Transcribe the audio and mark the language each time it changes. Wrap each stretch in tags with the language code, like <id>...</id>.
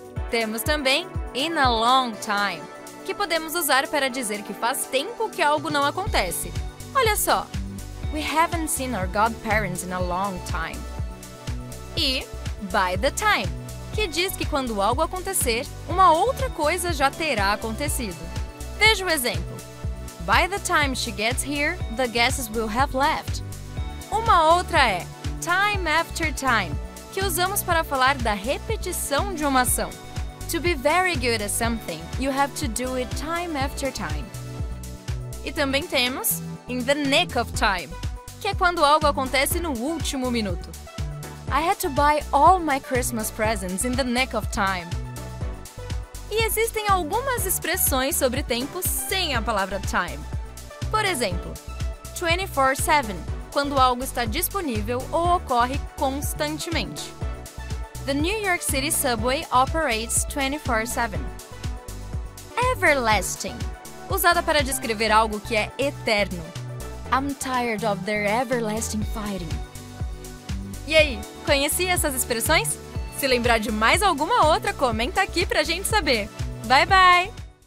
<pt>Temos também In a long time, que podemos usar para dizer que faz tempo que algo não acontece. Olha só!</pt> <en>We haven't seen our godparents in a long time.</en> <pt>E by the time, que diz que quando algo acontecer, uma outra coisa já terá acontecido. Veja o exemplo.</pt> <en>By the time she gets here, the guests will have left.</en> <pt>Uma outra é time after time, que usamos para falar da repetição de uma ação.</pt> <en>To be very good at something, you have to do it time after time.</en> <pt>E também temos in the nick of time, que é quando algo acontece no último minuto.</pt> <en>I had to buy all my Christmas presents in the nick of time.</en> <pt>E existem algumas expressões sobre tempo sem a palavra time. Por exemplo, 24/7, quando algo está disponível ou ocorre constantemente.</pt> <en>The New York City subway operates 24/7.</en> <pt>Everlasting, usada para descrever algo que é eterno.</pt> <en>I'm tired of their everlasting fighting.</en> <pt>E aí, conhecia essas expressões? Se lembrar de mais alguma outra, comenta aqui pra gente saber.</pt> <en>Bye, bye!</en>